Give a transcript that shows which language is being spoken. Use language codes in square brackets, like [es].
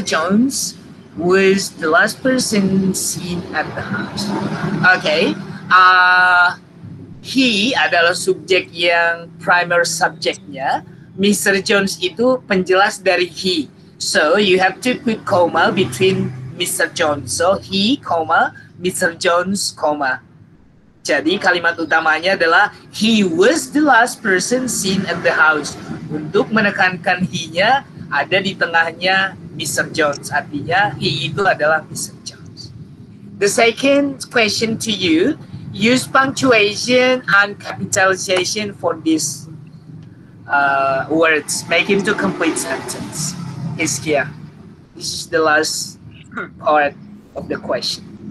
[en] Jones, was the last person seen at the house. Okay. [id] He adalah subjek yang primer subjeknya. Mr. Jones itu penjelas dari he. [en] So you have to put comma between Mr. Jones. So he, comma, Mr. Jones, comma. [id] Jadi kalimat utamanya adalah [en] he was the last person seen at the house. [id] Untuk menekankan he-nya, ada di tengahnya Mr. Jones, artinya he itu adalah Mr. Jones. [en] The second question to you, use punctuation and capitalization for these words, make it to complete sentence. Hizkia, this is the last part of the question.